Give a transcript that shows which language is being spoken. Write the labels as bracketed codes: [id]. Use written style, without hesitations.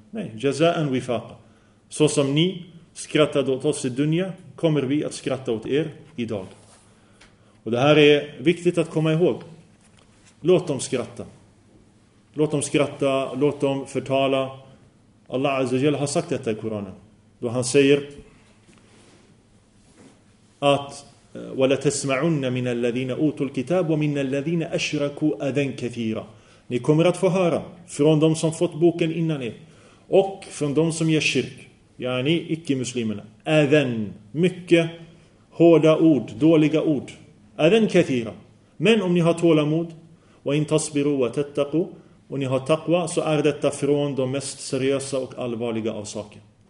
[sv] Nej, [ar] jaza'an wifaqa. [sv] Så som ni skrattade åt oss i dunya kommer vi att skratta åt er idag. Och det här är viktigt att komma ihåg. Låt dem skratta. Låt dem skratta, låt dem förtala. Allah Azza wa Jalla har sagt detta i Koranen. Då han säger att [ar] وَلَتَسْمَعُنَّ مِنَ الَّذِينَ أُوتُوا الْكِتَابُ وَمِنَ الَّذِينَ أَشْرَكُوا أَذًا كَثِيرًا. [sv] Ni kommer att få höra från de som fått boken innan er och från de som gör kyrk, yani icke-muslimerna, även mycket hårda ord, dåliga ord, även kathira. Men om ni har tålamod och inte [ar] tasbiru wa tattaqu, [sv] och ni har taqwa, så är detta från de mest seriösa och allvarliga av saker.